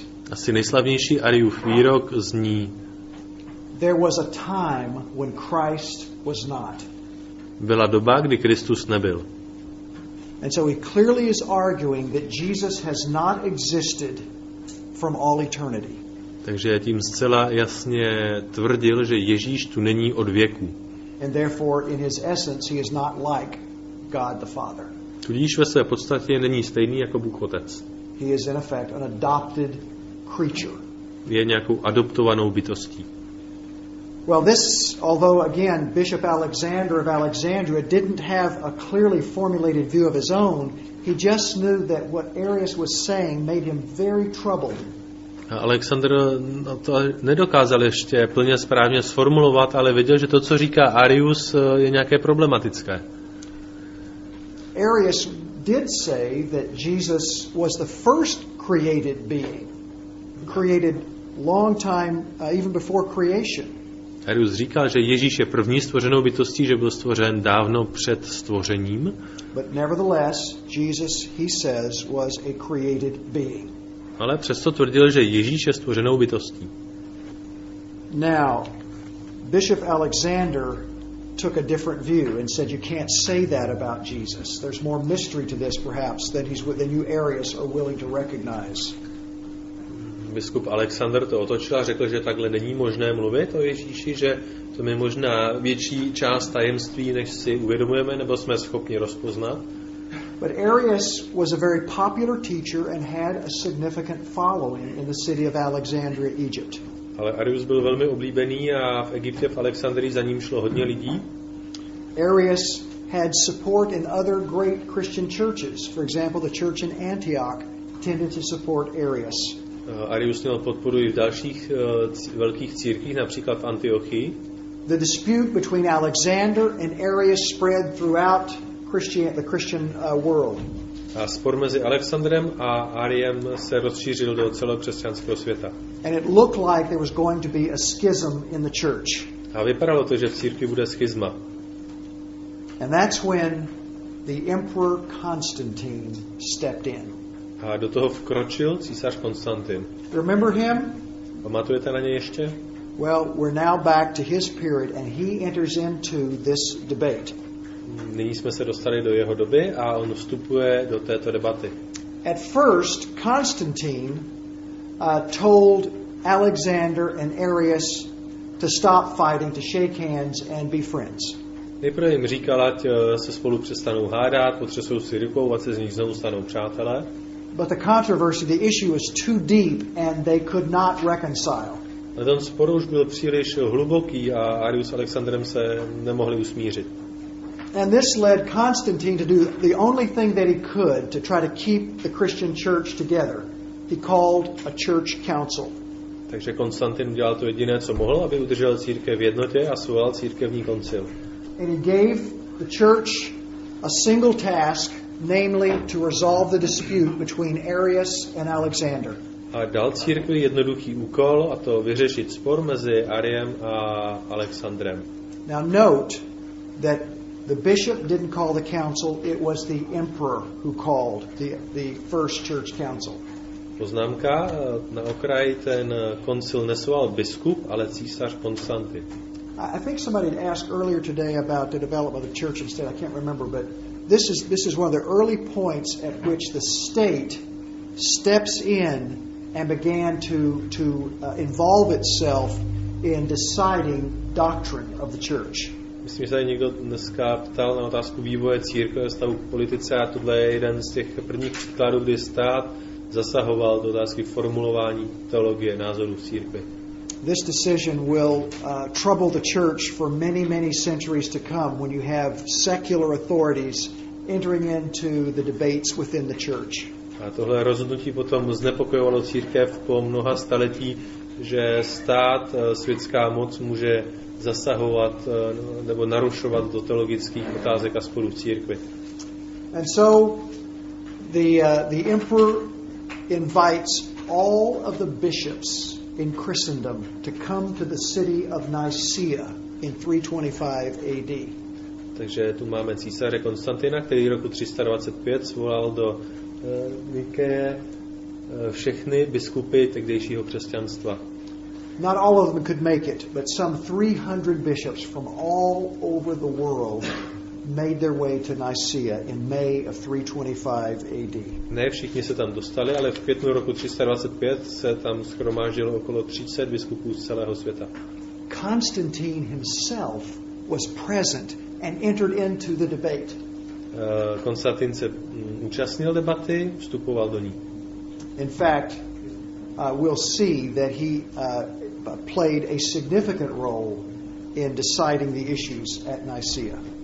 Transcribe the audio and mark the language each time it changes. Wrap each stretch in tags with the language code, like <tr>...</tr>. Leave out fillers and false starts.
<cs>Asi nejslavnější Ariův výrok zní:</cs> <en>There was a time when Christ was not.</en> <cs>Byla doba, kdy Kristus nebyl.</cs> <en>And so he clearly is arguing that Jesus has not existed from all eternity.</en> <cs>Takže tím zcela jasně tvrdil, že Ježíš tu není od věku.</cs> <en>And therefore in his essence he is not like God the Father.</en> <cs>Tudíž ve své podstatě není stejný jako Bůh Otec.</cs> <en>He is in effect an adopted creature.</en> <cs>Je nějakou adoptovanou bytostí.</cs> <en>Well, this, although again Bishop Alexander of Alexandria didn't have a clearly formulated view of his own, he just knew that what Arius was saying made him very troubled.</en> <cs>Alexander to nedokázal ještě plně správně sformulovat, ale věděl, že to, co říká Arius, je nějaké problematické.</cs> <en>Arius did say that Jesus was the first created being, created long time even before creation.</en> <cs>Arius říkal, že Ježíš je první stvořenou bytostí, že byl stvořen dávno před stvořením.</cs> <en>But nevertheless, Jesus, he says, was a created being.</en> <cs>Ale přesto tvrdil, že Ježíš je stvořenou bytostí.</cs> <en>Now, Bishop Alexander took a different view and said you can't say that about Jesus. There's more mystery to this perhaps than you Arius are willing to recognize.</en> <cs>Biskup Alexander to otočil a řekl, že takhle není možné mluvit o Ježíši, že to je možná větší část tajemství, než si uvědomujeme nebo jsme schopni rozpoznat.</cs> <en>But Arius was a very popular teacher and had a significant following in the city of Alexandria, Egypt.</en> <cs>Ale Arius byl velmi oblíbený a v Egyptě, v Alexandrii, za ním šlo hodně lidí.</cs> <en>Arius had support in other great Christian churches. For example, the church in Antioch tended to support Arius.</en> <cs>Arius měl podporu i v dalších velkých církvích, například v Antiochii.</cs> <en>The dispute between Alexander and Arius spread throughout the Christian world.</en> <cs>A spor mezi Alexandrem a Ariem se rozšířil do celého křesťanského světa.</cs> <en>And it looked like there was going to be a schism in the church.</en> <cs>A vypadalo to, že v církvi bude schizma.</cs> <en>And that's when the emperor Constantine stepped in.</en> <cs>A do toho vkročil císař Konstantin.</cs> <en>Remember him?</en> <cs>Pamatujete na něj ještě?</cs> <en>Well, we're now back to his period and he enters into this debate.</en> <cs>Nyní jsme se dostali do jeho doby a on vstupuje do této debaty.</cs> <en>At first, Constantine told Alexander and Arius to stop fighting, to shake hands and be friends.</en> <cs>Nejprve jim říkal, ať se spolu přestanou hádat, potřesou si rukou, ať se z nich znovu stanou přátelé.</cs> <en>But the controversy, the issue was too deep and they could not reconcile.</en> <cs>A ten spor už byl příliš hluboký a Arius s Alexandrem se nemohli usmířit.</cs> <en>And this led Constantine to do the only thing that he could to try to keep the Christian church together. He called a church council.</en> <cs>Takže Konstantin udělal to jediné, co mohl, aby udržel církev v jednotě, a svolal církevní koncil.</cs> <en>And he gave the church a single task, namely to resolve the dispute between Arius and Alexander.</en> <cs>A dal církvi jednoduchý úkol, a to vyřešit spor mezi Ariem a Alexandrem.</cs> <en>Now note that the bishop didn't call the council, it was the emperor who called the first church council.</en> <cs>Poznámka na okraj, ten koncil nesoval biskup, ale císař Konstantin.</cs> <en>I think somebody had asked earlier today about the development of the church and state. I can't remember, but this is one of the early points at which the state steps in and began to involve itself in deciding doctrine of the church.</en> <cs>Myslím, že tady někdo dneska ptal na otázku vývoje církve ve vztahu k politice, a tohle je jeden z těch prvních příkladů, kdy stát zasahoval do otázky formulování teologie názorů v církvi.</cs> <en>This decision will trouble the church for many, many centuries to come when you have secular authorities entering into the debates within the church.</en> <cs>A tohle rozhodnutí potom znepokojovalo církev po mnoha staletí, že stát, světská moc může zasahovat nebo narušovat do teologických otázek a sporů v církvi.</cs> <en>And so the emperor invites all of the bishops in Christendom to come to the city of Nicaea in 325 AD.</en> <cs>Takže tu máme císaře Konstantina, který v roku 325 zvolal do Nikeje všechny biskupy tehdejšího křesťanstva.</cs> <en>Not all of them could make it, but some 300 bishops from all over the world made their way to Nicaea in May of 325 AD.</en> <cs>Ne všichni se tam dostali, ale v květnu roku 325 se tam shromáždilo okolo 30 biskupů z celého světa.</cs> <en>Constantine himself was present and entered into the debate.</en> <cs>Konstantin se účastnil debaty, vstupoval do ní.</cs> <en>In fact, we'll see that he played a significant role in deciding the issues at Nicaea.</en>